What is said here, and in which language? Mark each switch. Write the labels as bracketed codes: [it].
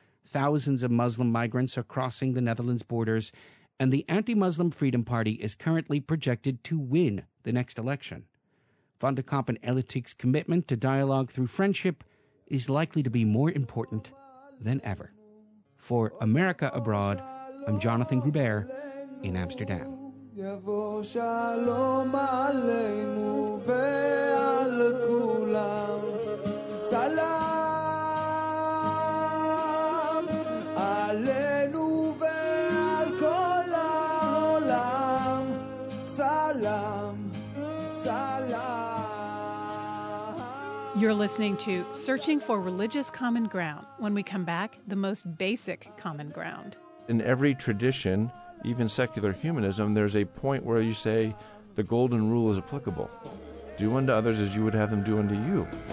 [en] Thousands of Muslim migrants are crossing the Netherlands borders, and the anti-Muslim Freedom Party is currently projected to win the next election. Van de Kamp and El-Atik's commitment to dialogue through friendship is likely to be more important than ever. For America Abroad, I'm Jonathan Gruber in Amsterdam. [he] יבוא שלום עלינו ועל כולם סלם עלינו ועל כל העולם סלם סלם. [en] You're listening to Searching for Religious Common Ground. When we come back, the most basic common ground. In every tradition, even secular humanism, there's a point where you say the golden rule is applicable. Do unto others as you would have them do unto you.